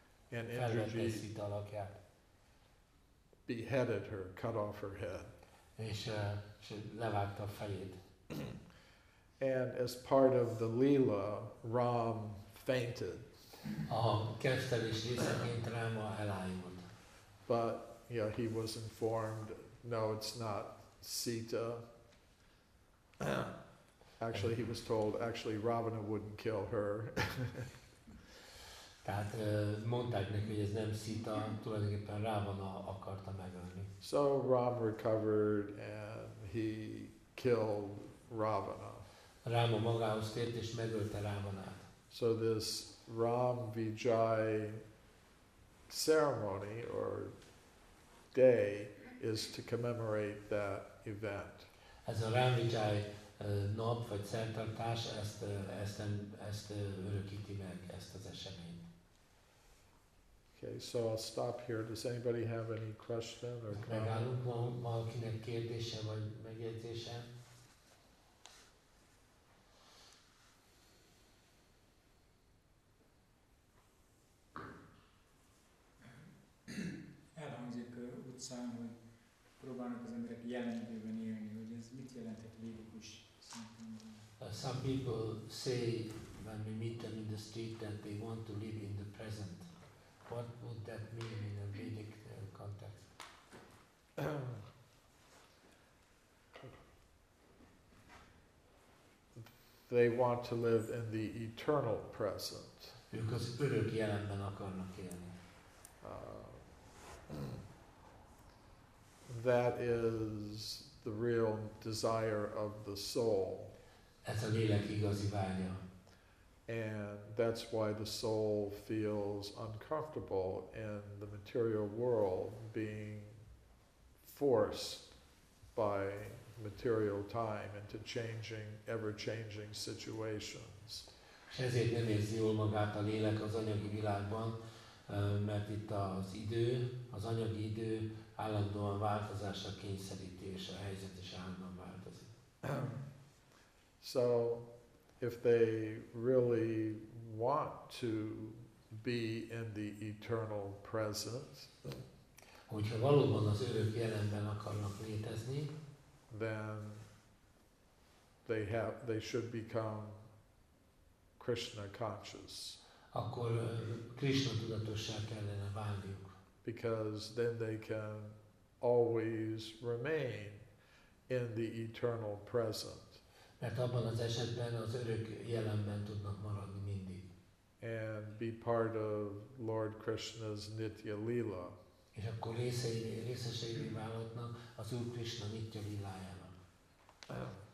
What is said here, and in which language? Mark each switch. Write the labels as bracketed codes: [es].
[en] And Indrajit beheaded her, cut off her head. [hu] És levágta a fejét. [en] And as part of the Leela, Ram fainted. [hu] A kettelés részeként Ráma elájult. [en] But yeah, he was informed, no, it's not Sita. Actually, he was told, actually, Ravana wouldn't kill her. [hu] Tehát mondták neki, hogy ez nem Sita, tulajdonképpen Ravana akarta megölni. [en] So Ram recovered and he killed Ravana. [hu] Ráma magához tért és megölte Ravanát. [en] So this Ram Vijay ceremony or day is to commemorate that event. [hu] Ez a Ramvijay nap vagy szertartás ezt örökíti meg, ezt az eseményt. [en] Okay, so I'll stop here. Does anybody have any question or comment? [hu] Megállunk valakinek kérdése vagy megjegyzése? Elhangzik utcán, hogy próbálnak az emberek jelenlőben élni, hogy ez mit jelent egy védikus szempontból? [en] Some people say when we meet them in the street that they want to live in the present. What would that mean in a Vedic context? They want to live in the eternal present. [hu] Ők az örök jelenben akarnak élni. [en] That is the real desire of the soul. [hu] Ez a lélek igazi vágya. [en] And that's why the soul feels uncomfortable in the material world, being forced by material time into changing, ever-changing situations. [hu] És ezért nem érzi jól magát a lélek az anyagi világban, mert itt az idő, az anyagi idő állandóan változásra kényszeríti, és a helyzet is állandóan változik. [en] So, if they really want to be in the eternal present, [hu] hogyha valóban az örök jelenben akarnak létezni, [en] then they should become Krishna conscious. [hu] Akkor Krishna tudatossá kellene válniuk. [en] Because then they can always remain in the eternal present. [hu] Mert abban az esetben az örök jelenben tudnak maradni mindig. [en] And be part of Lord Krishna's Nitya Lila. [hu] És akkor részesei válhatnak az Úr Krishna Nitya Lilájának.